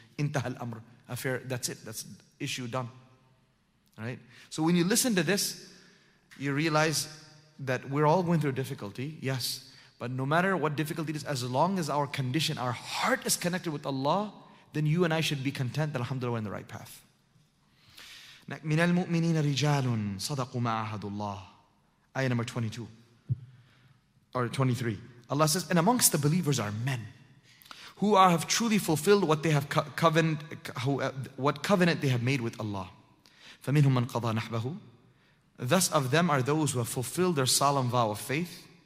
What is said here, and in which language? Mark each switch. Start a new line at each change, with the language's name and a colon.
Arabic: Intaha al-amr.
English: Affair. That's it. That's issue done. Right? So when you listen to this, you realize that we're all going through difficulty, yes. But no matter what difficulty it is, as long as our condition, our heart is connected with Allah, then you and I should be content that alhamdulillah we're in the right path.
Arabic: من المؤمنين رجال صدقوا ما عهد الله.
English: Ayah number 22. Or 23. Allah says, and amongst the believers are men who have truly fulfilled what they have covenant they have made with Allah.
Arabic: فمنهم من قضى نحبه.
English: Thus of them are those who have fulfilled their solemn vow of faith.